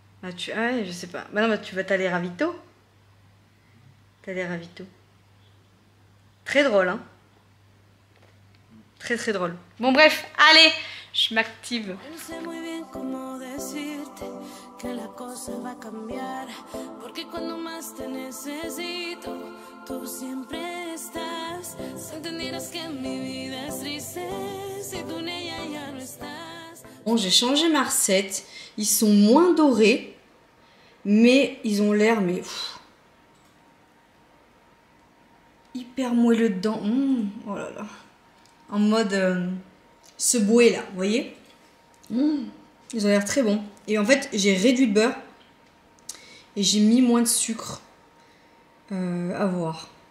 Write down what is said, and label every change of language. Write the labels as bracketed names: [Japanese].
[French] Bah tu... Ouais, je sais pas. Bah non, bah tu vas t'aller ravito. T'aller ravito. Très drôle, hein. Très très drôle. Bon bref, allez, je m'active. Je sais très bien comment dire que [Spanish] la cosa va cambiar. Porque cuando más te necesito, tú siempre estás. Si entendieras que mi vida es triste, si tú en ella ya no estás. [French] Bon, j'ai changé ma recette. Ils sont moins dorés. Mais ils ont l'air, mais pff, hyper moelleux dedans. Mmh, oh là là. En mode ce bouet là, vous voyez. Mmh, ils ont l'air très bons. Et en fait, j'ai réduit le beurre et j'ai mis moins de sucre. À voir.